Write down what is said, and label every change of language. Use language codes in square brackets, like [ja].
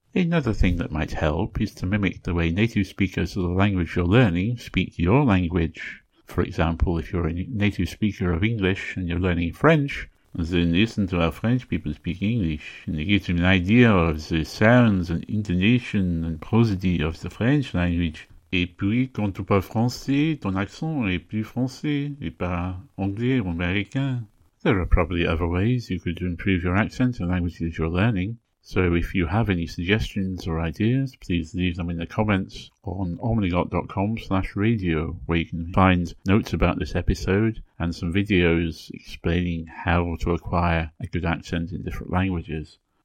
[en] Another thing that might help is to mimic the way native speakers of the language you're learning speak your language. For example, if you're a native speaker of English and you're learning French, then listen to how French people speak English, and it gives you an idea of the sounds and intonation and prosody of the French language. [fr] Et puis, quand tu parles français, ton accent est plus français, et pas anglais ou américain. [en] There are probably other ways you could improve your accent and languages you're learning. So if you have any suggestions or ideas, please leave them in the comments on omnigot.com/radio, where you can find notes about this episode and some videos explaining how to acquire a good accent in different languages.